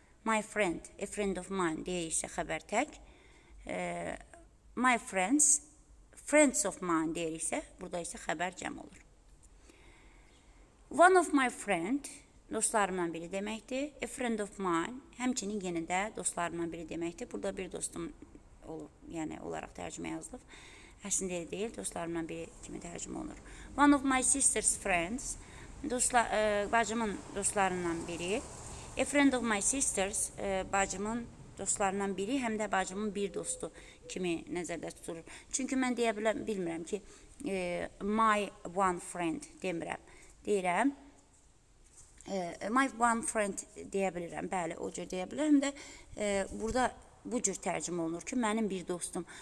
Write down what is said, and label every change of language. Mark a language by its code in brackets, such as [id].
[en] My friend, a friend of mine [az] deyirsə xəbər tək. [en] My friends, friends of mine [az] deyirsə, burada isə xəbər cəm olur. [en] One of my friend, [az] dostlarımdan biri deməkdir. [en] A friend of mine, [az] həmçinin yenə də dostlarımdan biri deməkdir. Burada bir dostum olur, yəni olaraq tərcümə yazılıb. Əslində elə deyil, dostlarımdan biri kimi tərcümə olunur. [en] One of my sister's friends, [az] bacımın dostlarından biri. [en] A friend of my sister's, [az] bacımın dostlarından biri, həm də bacımın bir dostu kimi nəzərdə tutulur. Çünki mən deyə bilmirəm ki, [en] my one friend [az] demirəm. Deyirəm, [en] My one friend [az] deyə bilirəm, bəli, o cür deyə bilirəm də, burada bu cür tərcümə olunur ki, mənim bir dostum.